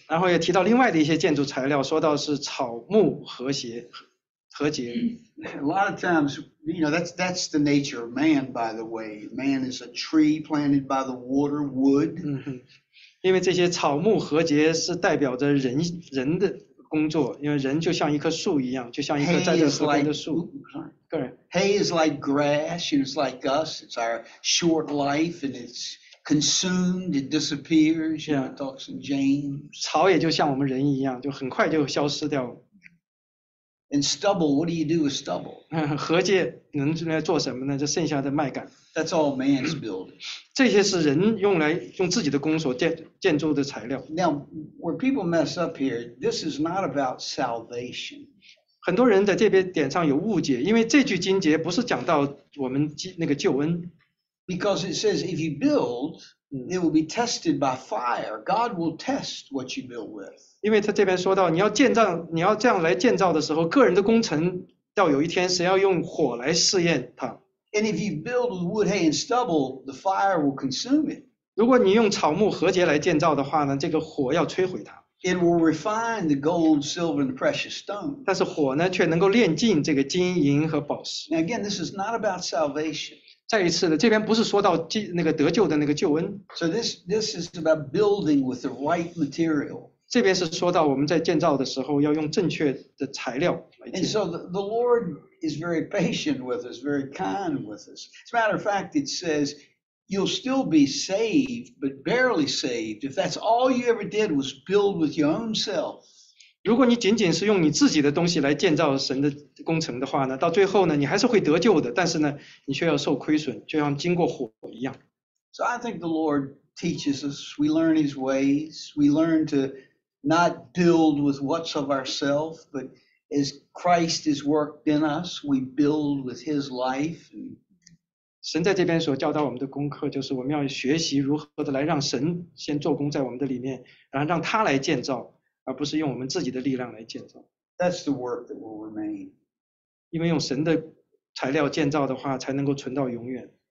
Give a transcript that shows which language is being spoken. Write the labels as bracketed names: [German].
[Chinese] 然后也提到另外的一些建筑材料，说到是草木和秸和秸。 [English] A lot of times, you know, that's the nature of man. By the way, man is a tree planted by the water, wood. [Chinese] 因为这些草木和秸是代表着人的工作，因为人就像一棵树一样，就像一棵栽在河边的树。 [English] Like, hay is like grass, and it's like us. It's our short life, and it's consumed, it disappears. You know, it talks in James. [Chinese] 草也就像我们人一样，就很快就消失掉了。 [English] And stubble, what do you do with stubble? [Chinese] 禾秸能来做什么呢？就剩下的麦秆。 [English] That's all man's building. [Chinese] 这些是人用来用自己的工所建筑的材料。 [English] Now, where people mess up here, this is not about salvation. [Chinese] 很多人在这边点上有误解，因为这句经节不是讲到我们那个救恩。 [English] Because it says if you build, it will be tested by fire. God will test what you build with. [Chinese] 因为他这边说到，你要这样来建造的时候，个人的工程到有一天，谁要用火来试验它。 [English] And if you build with wood, hay, and stubble, the fire will consume it. [Chinese] 如果你用草木禾秸来建造的话呢，这个火要摧毁它。 [English] It will refine the gold, silver, and precious stone. [Chinese] 但是火呢，却能够炼尽这个金银和宝石。 [English] Now again, this is not about salvation. [Chinese] 再一次的，这边不是说到那个得救的那个救恩。 [English] So this is about building with the right material. [Chinese] 这边是说到我们在建造的时候要用正确的材料来建。 [English] And so the Lord is very patient with us, very kind with us. As a matter of fact, it says, you'll still be saved, but barely saved, if that's all you ever did was build with your own self. [Chinese] 如果你仅仅是用你自己的东西来建造神的工程的话呢，到最后呢，你还是会得救的，但是呢，你却要受亏损，就像经过火一样。 [English] So I think the Lord teaches us, we learn his ways, we learn to not build with what's of ourselves, but as Christ is worked in us, we build with his life. [Chinese] 神在这边所教导我们的功课就是我们要学习如何的来让神先做工在我们的里面，然后让他来建造，而不是用我们自己的力量来建造。 [English] That's the work that will remain. [Chinese] 因为用神的材料建造的话才能够存到永远。